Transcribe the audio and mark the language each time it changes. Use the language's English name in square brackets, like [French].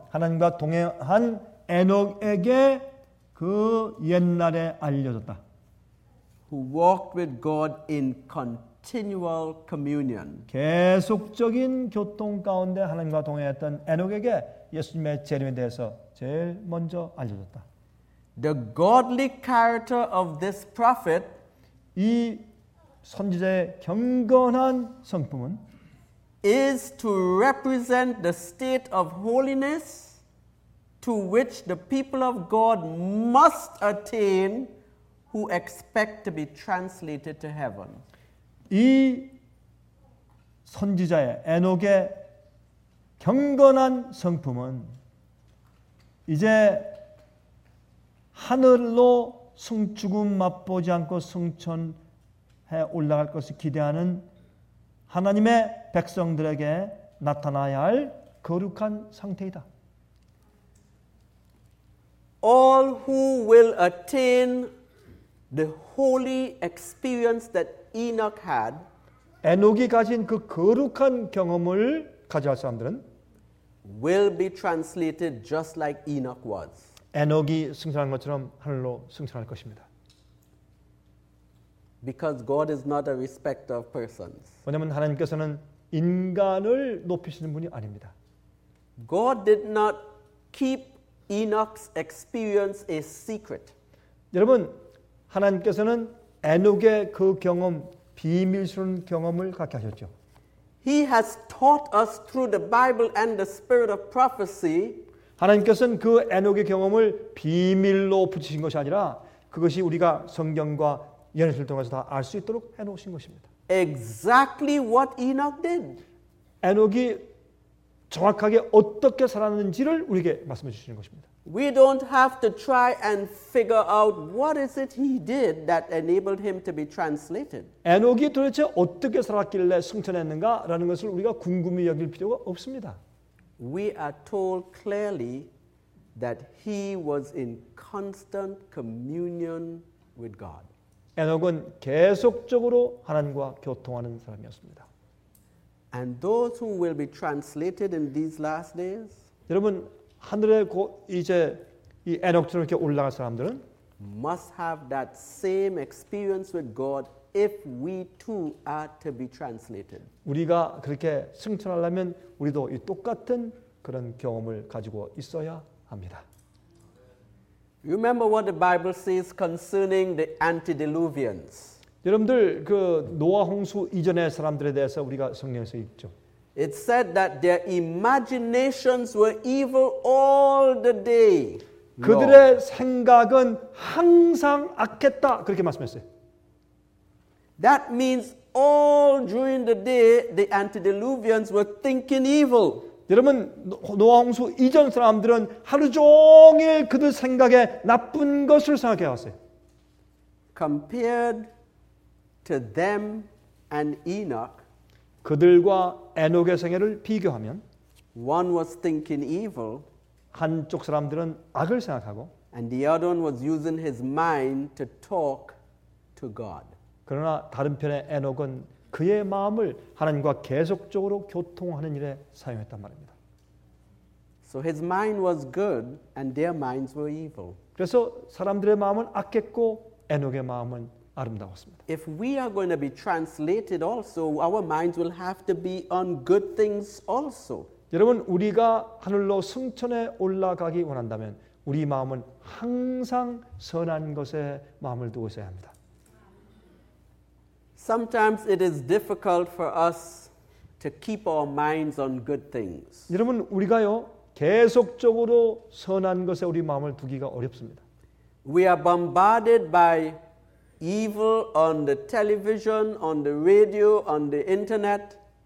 [Korean] 하나님과 동행한 에녹에게 그 옛날에 알려졌다. [English] Who walked with God in continual communion. [Korean] 계속적인 교통 가운데 하나님과 동행했던 에녹에게 예수님의 재림에 대해서 제일 먼저 알려졌다. [English] The godly character of this prophet [Korean] 이 선지자의 경건한 성품은 [English] is to represent the state of holiness to which the people of God must attain who expect to be translated to heaven. [Korean] 이 선지자의 에녹의 경건한 성품은 이제 하늘로 죽음 맛보지 않고 승천해 올라갈 것을 기대하는 하나님의 백성들에게 나타나야 할 거룩한 상태이다. [English] All who will attain the holy experience that Enoch had, [Korean] 에녹이 가진 그 거룩한 경험을 가져갈 사람들은 [English] will be translated just like Enoch was. [Korean] 에녹이 승천한 것처럼 하늘로 승천할 것입니다. [English] Because God is not a respecter of persons. [Korean] 왜냐하면 하나님께서는 인간을 높이시는 분이 아닙니다. [English] God did not keep Enoch's experience a secret. [Korean] 여러분, 하나님께서는 에녹의 그 경험, 비밀스러운 경험을 갖게 하셨죠. [English] He has taught us through the Bible and the spirit of prophecy. [Korean] 하나님께서는 그 에녹의 경험을 비밀로 붙이신 것이 아니라 그것이 우리가 성경과 예언서를 통해서 다 알 수 있도록 해놓으신 것입니다. [English] Exactly what Enoch did. [Korean] 에녹이 정확하게 어떻게 살았는지를 우리에게 말씀해 주시는 것입니다. [English] We don't have to try and figure out what is it he did that enabled him to be translated. [Korean] 에녹이 도대체 어떻게 살았길래 승천했는가라는 것을 우리가 궁금히 여길 필요가 없습니다. [English] We are told clearly that he was in constant communion with God. [Korean] 에녹은 계속적으로 하나님과 교통하는 사람이었습니다. [English] And those who will be translated in these last days, [Korean] 여러분 하늘에 이제 이 에녹처럼 이렇게 올라갈 사람들은 [English] must have that same experience with God if we too are to be translated. [Korean] 우리가 그렇게 승천하려면 우리도 이 똑같은 그런 경험을 가지고 있어야 합니다. [English] You remember what the Bible says concerning the antediluvians? [Korean] 여러분들 그 노아 홍수 이전의 사람들에 대해서 우리가 성경에서 읽죠. [English] It said that their imaginations were evil all the day. [Korean] 그들의 Lord. 생각은 항상 악했다. 그렇게 말씀했어요. [English] That means all during the day the antediluvians were thinking evil. [Korean] 여러분 노아 홍수 이전 사람들은 하루 종일 그들 생각에 나쁜 것을 생각해 왔어요. [English] Compared to them and Enoch, [Korean] 그들과 에녹의 생애를 비교하면 [English] one was thinking evil, [Korean] 한쪽 사람들은 악을 생각하고 [English] and the other one was using his mind to talk to God. [Korean] 그러나 다른 편의 에녹은 그의 마음을 하나님과 계속적으로 교통하는 일에 사용했단 말입니다. [English] So his mind was good and their minds were evil. [Korean] 그래서 사람들의 마음은 악했고 에녹의 마음은 아름다웠습니다. [English] If we are going to be translated also, our minds will have to be on good things also. [Korean] 여러분, 우리가 하늘로 승천에 올라가기 원한다면 우리 마음은 항상 선한 것에 마음을 두고 있어야 합니다. [English] Sometimes it is difficult for us to keep our minds on good things. [Korean] 여러분, 우리가요, 계속적으로 선한 것에 우리 마음을 두기가 어렵습니다. [English] We are bombarded by evil on the television, on the radio, on the internet.